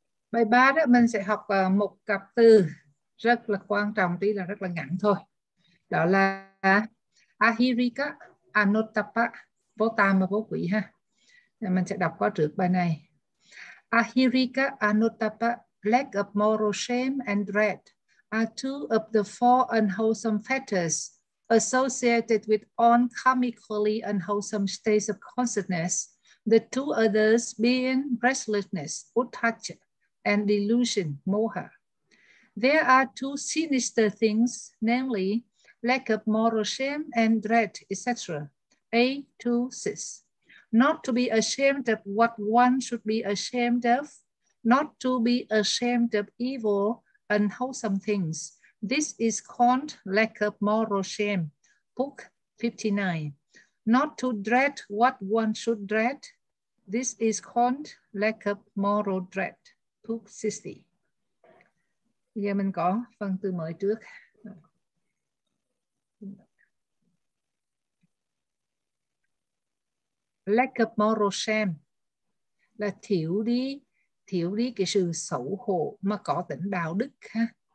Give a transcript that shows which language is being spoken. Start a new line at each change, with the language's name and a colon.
Vietnamese: Bài 3 đó mình sẽ học một cặp từ rất là quan trọng, tuy là rất là ngắn thôi. Đó là Ahirika Anuttapa, vô tam và vô quỷ ha. Mình sẽ đọc qua trước bài này.
English: Ahirika Anuttapa, lack of moral shame and dread are two of the four unwholesome fetters associated with oncomically unwholesome states of consciousness, the two others being restlessness, uttacca, and delusion, moha. There are two sinister things, namely lack of moral shame and dread, etc. A2-6. Not to be ashamed of what one should be ashamed of, not to be ashamed of evil and wholesome things. This is called lack of moral shame, book 59. Not to dread what one should dread, this is called lack of moral dread.
Vietnamese: Bây giờ mình có phần từ mới trước.
English: Lack of moral shame
Vietnamese: là thiếu đi cái sự xấu hổ mà có tính đạo đức ha.